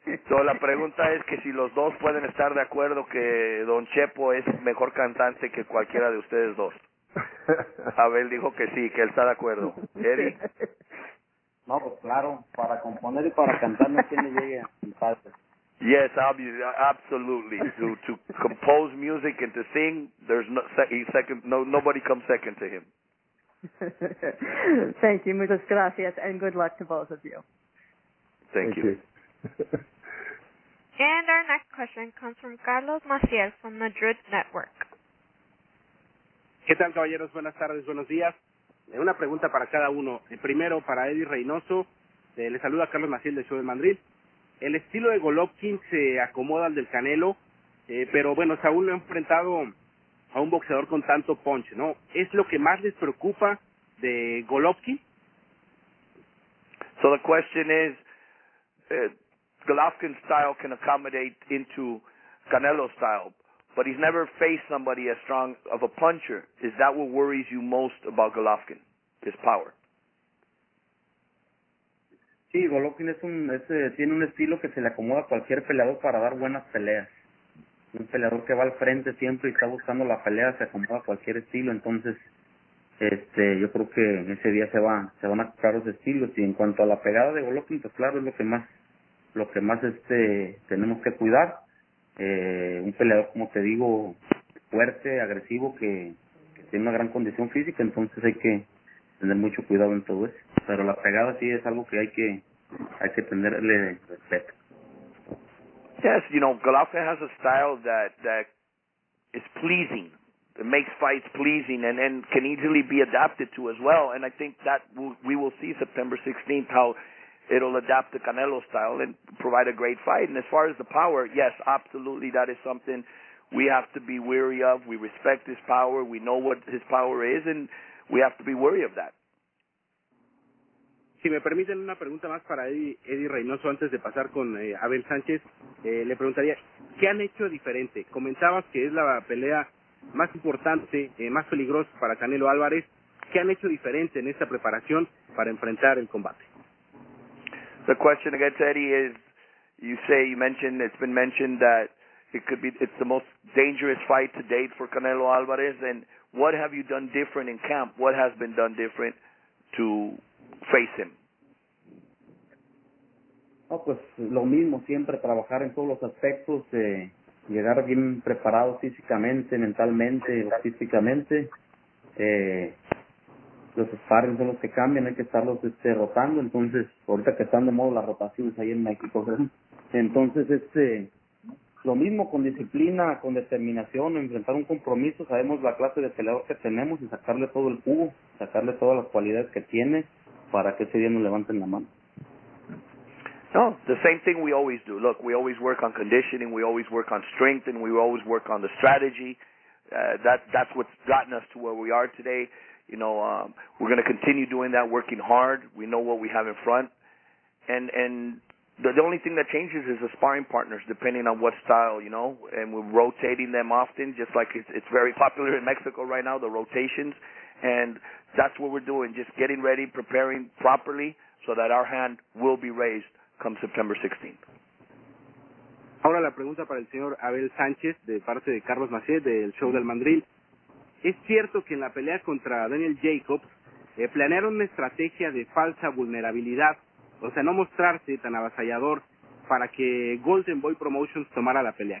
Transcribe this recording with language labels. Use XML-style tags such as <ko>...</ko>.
<es>So la pregunta es que si los dos pueden estar de acuerdo que Don Chepo es mejor cantante que cualquiera de ustedes dos. Abel dijo que sí, que él está de acuerdo. Eddie. No, pues claro, para componer y para cantar no tiene llegue a mi padre.</es> <en>Yes, obviously, absolutely. To compose music and to sing, there's no second. No, nobody comes second to him. Thank you,</en> <es>muchas gracias,</es> <en>and good luck to both of you. Thank you. And our next question comes from Carlos Maciel from Madrid Network.</en> <es>¿Qué tal, caballeros? Buenas tardes, buenos días. Una pregunta para cada uno. El primero para Eddie Reynoso. Le saluda Carlos Maciel de Show de Madrid. El estilo de Golovkin se acomoda al del Canelo, pero bueno, Saúl lo ha enfrentado a un boxeador con tanto punch, ¿no? ¿Es lo que más les preocupa de Golovkin?</es> <en>So the question is, Golovkin's style can accommodate into Canelo's style, but he's never faced somebody as strong of a puncher. Is that what worries you most about Golovkin, his power?</en> <es>Sí, Golovkin tiene un estilo que se le acomoda a cualquier peleador para dar buenas peleas. Un peleador que va al frente siempre y está buscando la pelea, se acomoda a cualquier estilo. Entonces, yo creo que ese día se van a acoplar los estilos. Y en cuanto a la pegada de Golovkin, pues claro, es lo que más tenemos que cuidar. Un peleador, como te digo, fuerte, agresivo, que tiene una gran condición física. Entonces hay que tener mucho cuidado en todo eso. Pero la pegada sí es algo que hay que tenerle respeto.</es> <en>Yes, you know, Golovkin has a style that is pleasing. It makes fights pleasing and can easily be adapted to as well. And I think that we will see September 16th how it'll adapt to Canelo's style and provide a great fight. And as far as the power, yes, absolutely, that is something we have to be wary of. We respect his power. We know what his power is, and we have to be wary of that.</en> <es>Si me permiten una pregunta más para Eddie Reynoso antes de pasar con Abel Sánchez, le preguntaría, ¿qué han hecho diferente? Comentabas que es la pelea más importante, más peligrosa para Canelo Álvarez. ¿Qué han hecho diferente en esta preparación para enfrentar el combate?</es> <en>The question against Eddie is, it's been mentioned that it's the most dangerous fight to date for Canelo Álvarez, and what have you done different in camp? What has been done different to face him?</en> <es>No, pues lo mismo, siempre trabajar en todos los aspectos, llegar bien preparado físicamente, mentalmente, artísticamente. Los sparring son los que cambian, hay que estarlos rotando. Entonces, ahorita que están de moda las rotaciones ahí en México, ¿verdad? Entonces, lo mismo, con disciplina, con determinación, enfrentar un compromiso. Sabemos la clase de peleador que tenemos y sacarle todo el jugo, sacarle todas las cualidades que tiene para que ese día nos levanten la mano.</es> <en>No, the same thing we always do. Look, we always work on conditioning, we always work on strength, and we always work on the strategy. That's what's gotten us to where we are today. You know, we're going to continue doing that, working hard. We know what we have in front. And the only thing that changes is the sparring partners, depending on what style, you know. And we're rotating them often, just like it's very popular in Mexico right now, the rotations. And that's what we're doing, just getting ready, preparing properly, so that our hand will be raised come September 16th.</en> <es>Ahora la pregunta para el señor Abel Sánchez, de parte de Carlos Macé, del Show del Mandril. ¿Es cierto que en la pelea contra Daniel Jacobs planearon una estrategia de falsa vulnerabilidad, o sea, no mostrarse tan avasallador para que Golden Boy Promotions tomara la pelea?</es>